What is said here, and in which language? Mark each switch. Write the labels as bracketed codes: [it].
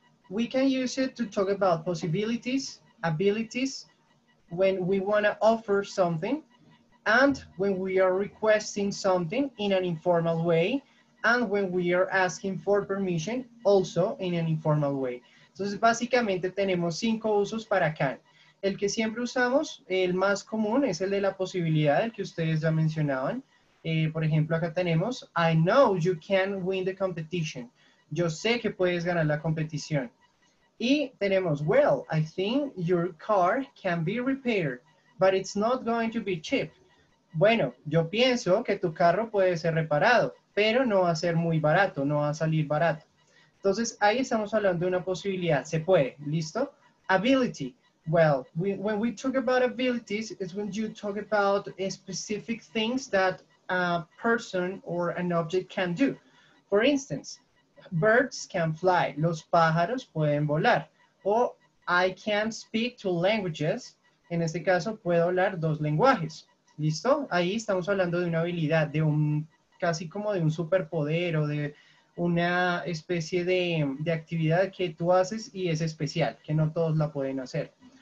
[en] We can use it to talk about possibilities, abilities, when we want to offer something, and when we are requesting something in an informal way, and when we are asking for permission, also in an informal way. [es] Entonces, básicamente tenemos 5 usos para can. El que siempre usamos, el más común, es el de la posibilidad, el que ustedes ya mencionaban. Por ejemplo, acá tenemos, [en] I know you can win the competition. [es] Yo sé que puedes ganar la competición. Y tenemos, [en] well, I think your car can be repaired, but it's not going to be cheap. [es] Bueno, yo pienso que tu carro puede ser reparado, pero no va a ser muy barato, no va a salir barato. Entonces, ahí estamos hablando de una posibilidad, se puede, ¿listo? [en] Ability, well, when we talk about abilities, it's when you talk about specific things that a person or an object can do. For instance, birds can fly, [es] los pájaros pueden volar. O [en] I can speak 2 languages, [es] en este caso puedo hablar 2 lenguajes. ¿Listo? Ahí estamos hablando de una habilidad, de un casi como de un superpoder o de una especie de actividad que tú haces y es especial, que no todos la pueden hacer.